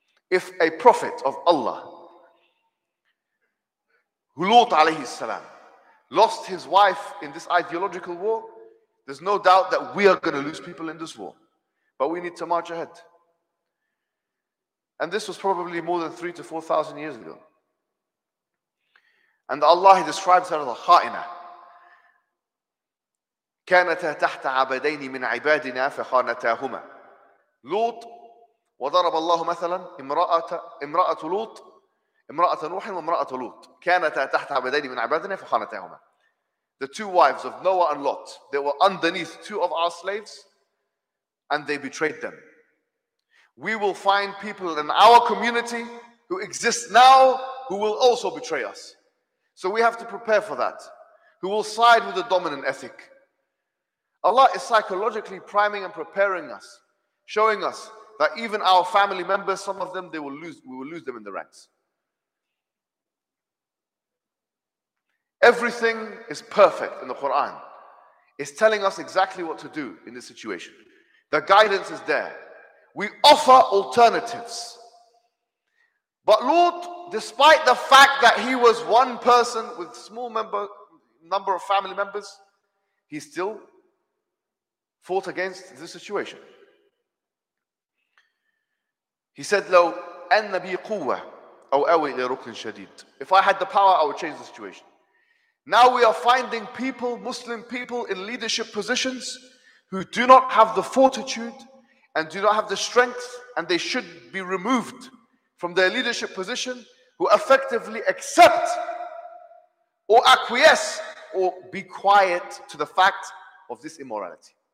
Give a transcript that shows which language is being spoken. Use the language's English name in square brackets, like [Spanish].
[English] If a prophet of Allah, Lut alayhi salam, lost his wife in this ideological war, there's no doubt that we are going to lose people in this war. But we need to march ahead. And this was probably more than 3,000 to 4,000 years ago. And Allah describes her as a khaina. [Arabic] كانت تحت عبدين من عبادنا فخانتاهما. لوط وضرب الله مثلا امرأة لوط امرأة نوح وامرأة لوط كانت تحت عبدين من عبادنا فخانتاهما. [English] The two wives of Noah and Lot, they were underneath two of our slaves and they betrayed them. We will find people in our community who exist now who will also betray us. So we have to prepare for that. Who will side with the dominant ethic. Allah is psychologically priming and preparing us, showing us that even our family members, some of them, we will lose them in the ranks. Everything is perfect in the Quran. It's telling us exactly what to do in this situation. The guidance is there. We offer alternatives. But Lot, despite the fact that he was one person with small number of family members, he still fought against this situation. [Arabic] He said, لو أن بي قوة أو أوي إلى ركن شديد. [English] If I had the power, I would change the situation. Now we are finding people, Muslim people in leadership positions who do not have the fortitude and do not have the strength, and they should be removed from their leadership position, who effectively accept or acquiesce or be quiet to the fact of this immorality.